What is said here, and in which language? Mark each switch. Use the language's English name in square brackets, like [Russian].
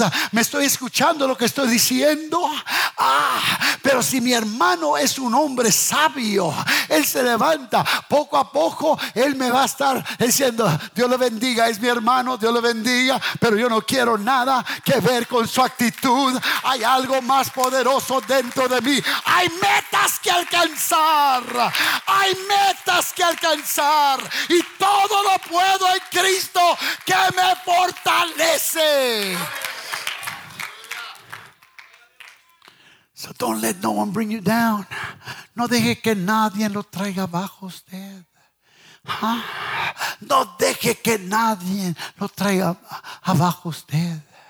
[Spanish] ¿Me estoy escuchando lo que estoy diciendo? Ah, pero si mi hermano es un hombre sabio, él se levanta poco a poco, él me va a estar diciendo, Dios le bendiga, es mi hermano, Dios le bendiga, pero yo no quiero nada que ver con su actitud. Hay algo más poderoso dentro de mí. Hay metas que alcanzar. Hay metas que alcanzar. Y todo lo puedo en Cristo que me fortalece. [English] So don't let no one bring you down. [Spanish] No deje que nadie lo traiga abajo usted. No deje que nadie lo traiga abajo usted.